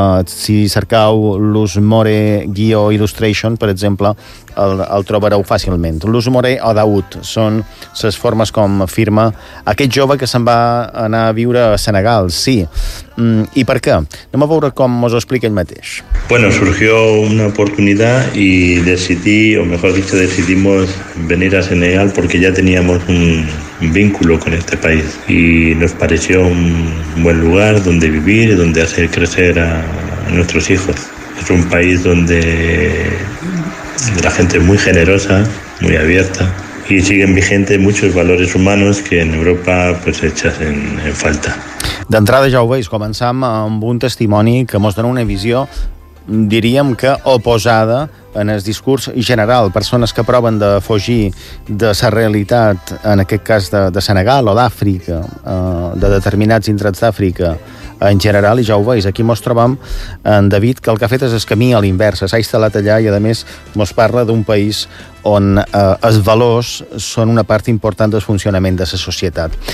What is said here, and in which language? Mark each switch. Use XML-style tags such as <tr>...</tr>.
<ca>Si cercau Luz More Guio Illustration, per exemple, el trobareu fàcilment. Luz More o Daoud són les formes com firma aquest jove que se'n va anar a viure a Senegal, sí. I per què? Anem a veure com us ho explica ell mateix.</ca> <es>Bueno, surgió una oportunidad y decidí, o mejor dicho, decidimos venir a Senegal porque ya teníamos un vínculo con este país y nos pareció un buen lugar donde vivir y donde hacer crecer a nuestros hijos. Es un país donde la gente es muy generosa, muy abierta y siguen vigentes muchos valores humanos que en Europa pues echas en falta.</es> <ca>D'entrada, ja ho veus, començam amb un testimoni que mos dona una visió, diríem que oposada en el discurs general. Persones que proven de fugir de la realitat, en aquest cas de Senegal o d'Àfrica, de determinats indrets d'Àfrica en general, i ja ho veus, aquí mos trobam en David, que el que ha fet és el camí a l'inversa, s'ha instal·lat allà i, a més, mos parla d'un país on els valors són una part important del funcionament de la societat.</ca>